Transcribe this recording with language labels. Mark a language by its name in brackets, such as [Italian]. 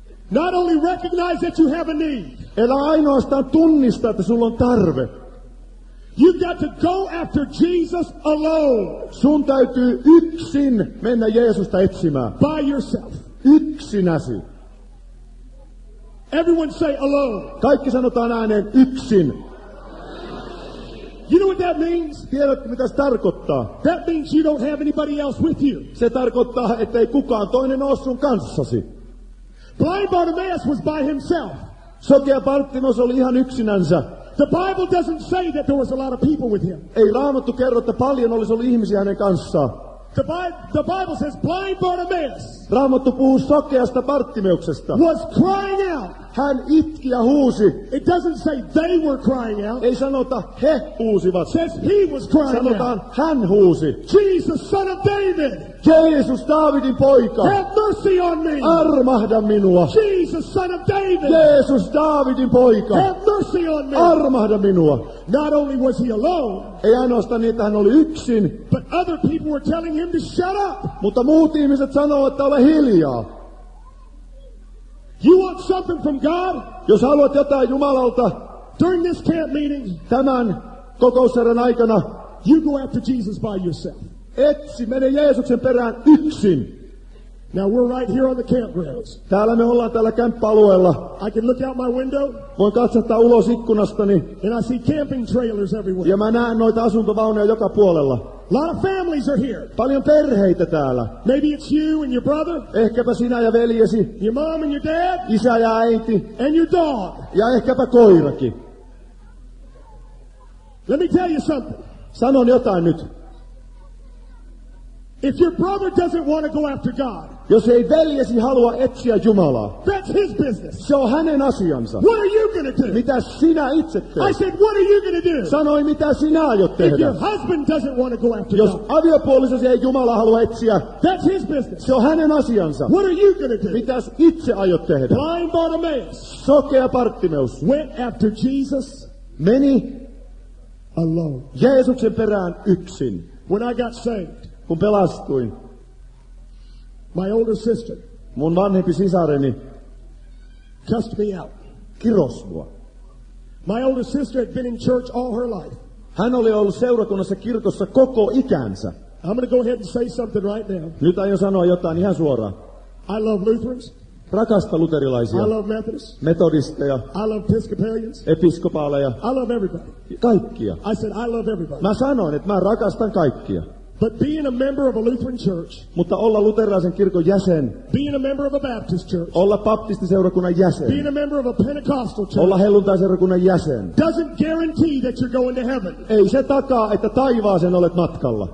[English] Not only recognize that you have a need. [Finnish] Elä ainoastaan tunnista, että sulla on tarve. [English] You got to go after Jesus alone. [Finnish] Sun täytyy yksin mennä Jeesusta etsimään. [English] By yourself. [Finnish] Yksinäsi. [English] Everyone say alone. [Finnish] Kaikki sanotaan ääneen yksin. [English] You know what that means? [Finnish] Tiedätkö mitä se tarkoittaa? [English] That means you don't have anybody else with you. [Finnish] Se tarkoittaa, ettei kukaan toinen ole sun kanssasi. [English] Blind Bartimaeus was by himself. [Finnish] Sokea Bartimaeus oli ihan yksinänsä. [English] The Bible doesn't say that there was a lot of people with him. [Finnish] Ei Raamattu kerro, että paljon olisi ollut ihmisiä hänen kanssaan. [English] The Bible says blind Bartimaeus. [Finnish] Raamattu puhuu sokeasta Bartimeuksesta. [English] Was crying out. [Finnish] Hän itki ja huusi. [English] It doesn't say they were crying out. [Finnish] Ei sanota he huusivat. [English] Says he was crying out. [Finnish] Sanotaan hän huusi. [English] Jesus, son of David. [Finnish] Jeesus, Daavidin poika. [English] Have mercy on me. [Finnish] Armahda minua. [English] Jesus, son of David. [Finnish] Jeesus, Daavidin poika. [English] Have mercy on me. [Finnish] Armahda minua. [English] Not only was he alone. [Finnish] Ei ainoastaan niin, että hän oli yksin. [English] But other people were telling him to shut up. [Finnish] Mutta muut ihmiset sanoivat, että ole hiljaa. [English] You want something from God? [Finnish] Jos haluat jotain Jumalalta, [English] during this camp meeting, [Finnish] tämän kokousseuran aikana, [English] you go after Jesus by yourself. [Finnish] Etsi, mene Jeesuksen perään yksin. [English] Now we're right here on the campgrounds. [Finnish] Täällä me ollaan täällä kämppäalueella. [English] I can look out my window. [Finnish] Voin katsahtaa ulos ikkunastani. [English] And I see camping trailers everywhere. [Finnish] Ja mä näen noita asuntovaunuja joka puolella. [English] A lot of families are here. [Finnish] Paljon perheitä täällä. [English] Maybe it's you and your brother. [Finnish] Ehkäpä sinä ja veljesi. [English] Your mom and your dad. [Finnish] Isä ja äiti. [English] And your dog. [Finnish] Ja ehkäpä koirakin. [English] Let me tell you something. [Finnish] Sanon jotain nyt. [English] If your brother doesn't want to go after God. [Finnish] Jos ei veljesi halua etsiä Jumalaa. [English] That's his business. [Finnish] Se on hänen asiansa. [English] What are you gonna do? [Finnish] Mitä sinä itse teet? [English] I said, what are you gonna do? [Finnish] Sanoin, mitä sinä aiot tehdä. [English] If your husband doesn't want to go after [Finnish] jos [English] God. [Finnish] Jos aviopuolisosi ei Jumalaa halua etsiä. [English] That's his business. [Finnish] Se on hänen asiansa. [English] What are you gonna do? [Finnish] Mitä itse aiot tehdä? [English] Blind Bartimaeus. [Finnish] Sokea Bartimaeus. [English] Went after Jesus. [Finnish] Meni. [English] Alone. [Finnish] Jeesuksen perään yksin. [English] When I got saved. [Finnish] Kun pelastuin. [English] My older sister. [Finnish] Mun vanhempi sisareni. [English] Cussed me out. [Finnish] Kiros mua. [English] My older sister had been in church all her life. [Finnish] Hän oli ollut seurakunnassa kirkossa koko ikänsä. [English] I'm gonna go ahead and say something right now. [Finnish] Nyt aion sanoa jotain ihan suoraan. [English] I love Lutherans. [Finnish] Rakasta luterilaisia. [English] I love Methodists. [Finnish] Metodisteja. [English] I love Episcopalians. [Finnish] Episkopaaleja. [English] I love everybody. [Finnish] Kaikkia. [English] I said I love everybody. [Finnish] Mä sanoin, että mä rakastan kaikkia. [English] But being a member of a Lutheran church, [Finnish] mutta olla luterilaisen kirkon jäsen, [English] being a member of a Baptist church, [Finnish] olla baptistiseurakunnan jäsen, [English] being a member of a Pentecostal church, [Finnish] olla helluntaiseurakunnan jäsen, [English] doesn't guarantee that you're going to heaven. [Finnish] Ei se takaa, että taivaaseen olet matkalla.